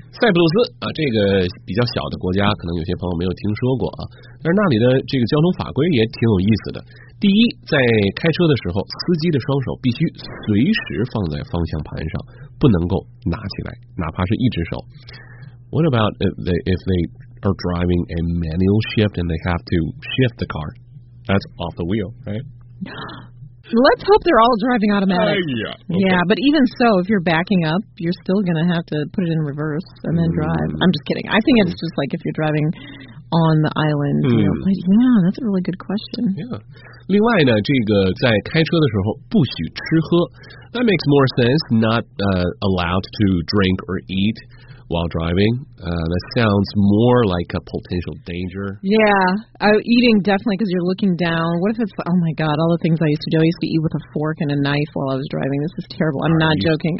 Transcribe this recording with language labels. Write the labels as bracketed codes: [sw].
[zh] 塞浦路斯啊，这个比较小的国家，可能有些朋友没有听说过啊。但是那里的这个交通法规也挺有意思的。第一，在开车的时候，司机的双手必须随时放在方向盘上，不能够拿起来，哪怕是一只手。 [en] What about if they are driving a manual shift and they have to shift the car? That's off the wheel, right? Let's hope they're all driving automatic. Yeah, okay. Yeah, but even so, if you're backing up, you're still going to have to put it in reverse and then drive. I'm just kidding. I think it's just like if you're driving on the island. You know, but yeah, that's a really good question. Yeah. [zh] 另外呢，这个在开车的时候不许吃喝。 [en] That makes more sense, not allowed to drink or eat. While driving, that sounds more like a potential danger. Yeah, eating definitely because you're looking down. What if it's, oh my God, all the things I used to do. I used to eat with a fork and a knife while I was driving. This is terrible. I'm not joking.